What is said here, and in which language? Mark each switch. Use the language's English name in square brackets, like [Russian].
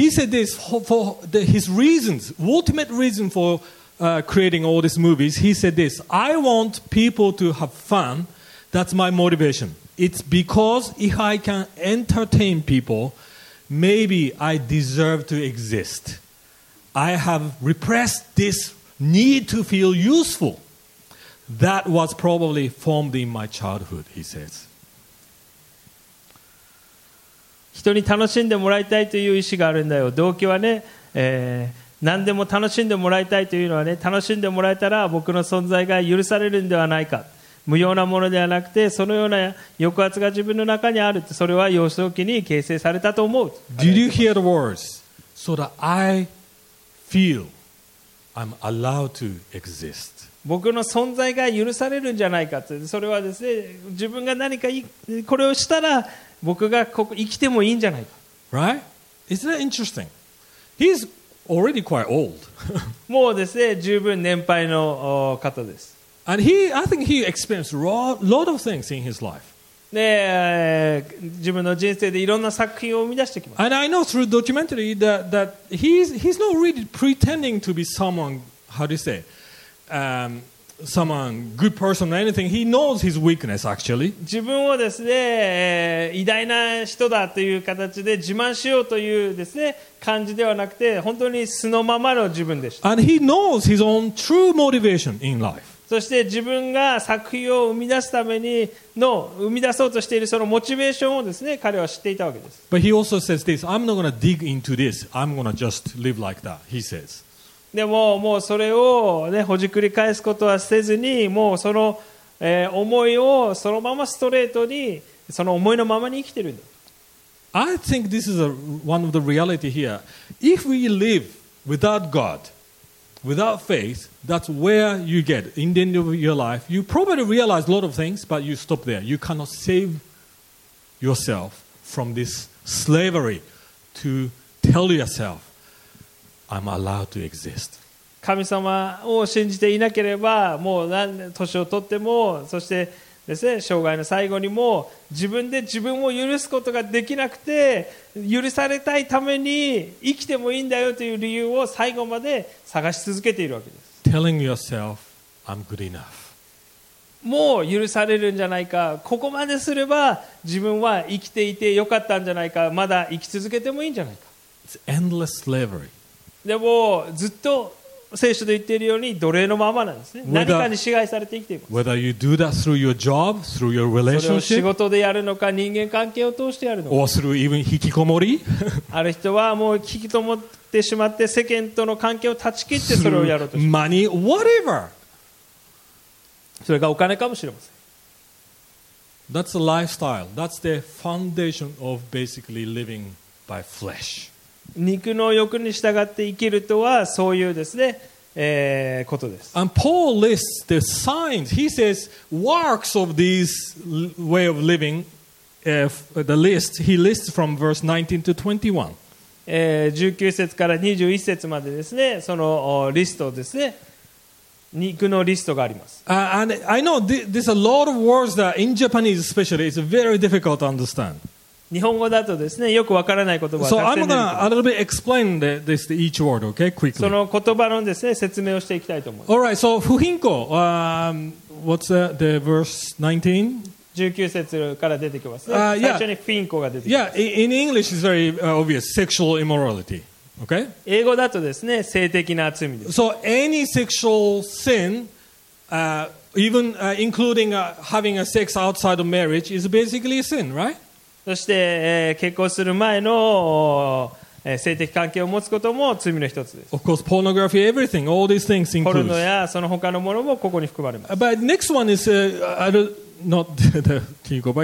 [English] He said this for his reasons, ultimate reason for creating all these movies. He said this: I want people to have fun. That's my motivation. It's because if I can entertain people, maybe I deserve to exist. I have repressed this need to feel useful. That was probably formed in my childhood, he says. [Japanese] 人に楽しんでもらいたいという意思があるんだよ。動機はね、何でも楽しんでもらいたいというのはね、楽しんでもらえたら僕の存在が許されるんではないか。無用なものではなくて、そのような抑圧が自分の中にあるって、それは幼少期に形成されたと思う。 [English] Did you hear the words? So that I... feel I'm allowed to exist. [Japanese] 僕の存在が許されるんじゃないかって、それはですね、自分が何かこれをしたら僕がここ生きてもいいんじゃないか。 [English] Right? Isn't that interesting? He's already quite old. [Japanese] もうですね、十分年配の方です。 [English] And he, I think he experienced a lot of things in his life. [Japanese] で、自分の人生でいろんな作品を生み出してきました。 [English] And I know through documentary that he's not really pretending to be someone, how do you say, someone good person or anything. He knows his weakness actually. [Japanese] 自分をですね、偉大な人だという形で自慢しようというですね、感じではなくて、本当に素のままの自分でした。 [English] And he knows his own true motivation in life. [Japanese] そして自分が作品を生み出すためにの生み出そうとしているそのモチベーションをですね、彼は知っていたわけです。 [English] But he also says this. I'm not gonna dig into this. I'm gonna just live like that. He says. [Japanese] でももうそれをね、ほじくり返すことはせずに、もうその、思いをそのままストレートに、その思いのままに生きてるんだ。 [English] I think this is one of the reality here. If we live without God. Without faith, that's where you get in the end of your life. You probably realize a lot of things, but you stop there. You cannot save yourself from this slavery to tell yourself, I'm allowed to exist. [Japanese] 神様を信じていなければ、もう何年を取っても、そしてですね、生涯の最後にも自分で自分を許すことができなくて、許されたいために生きてもいいんだよという理由を最後まで探し続けているわけです。 [English] Telling yourself, I'm good enough. [Japanese] もう許されるんじゃないか、ここまですれば自分は生きていてよかったんじゃないか、まだ生き続けてもいいんじゃないか。 [English] It's endless slavery. [Japanese] でもずっと聖書で言っているように奴隷のままなんですね。何かに支配されて生きています。 [English] Whether you do that through your job, through your relationship, [Japanese] それを仕事でやるのか、人間関係を通してやるのか、 [English] or through even 引きこもり、 [Japanese] ある人はもう引きこもってしまって世間との関係を断ち切ってそれをやろうとします。 [English] through money, whatever, [Japanese] それがお金かもしれません。 [English] That's the lifestyle. That's the foundation of basically living by flesh. [Japanese] 肉の欲に従って生きるとはそういうですね、ことです。 [English] And Paul lists the signs. He says works of these way of living, the list he lists from verse 19 to 21. [Japanese] 19節から21節までですね、そのリストですね、肉のリストがあります。 [English] And I know there's a lot of words that in Japanese especially is very difficult to understand. [Japanese] 日本語だとですね、よくわからない言葉がたくさん出てきます。 [English] So I'm gonna a little bit explain this to each word, okay, quickly. [Japanese] その言葉のですね、説明をしていきたいと思います。 [English] All right, so 不貧困、what's the verse 19? [Japanese] 19節から出てきますね。最初に不貧困が出てきます。 [English] Yeah, in English it's very obvious, sexual immorality, okay? [Japanese] 英語だとですね、性的な罪です。 [English] So any sexual sin, even including having a sex outside of marriage is basically a sin, right? [Japanese] そして、結婚する前の、性的関係を持つことも罪の一つです。 [English] Of course, pornography, everything, all these things include. [Japanese] ポルノやその他のものもここに含まれます。 [English] But next one is, can you go back?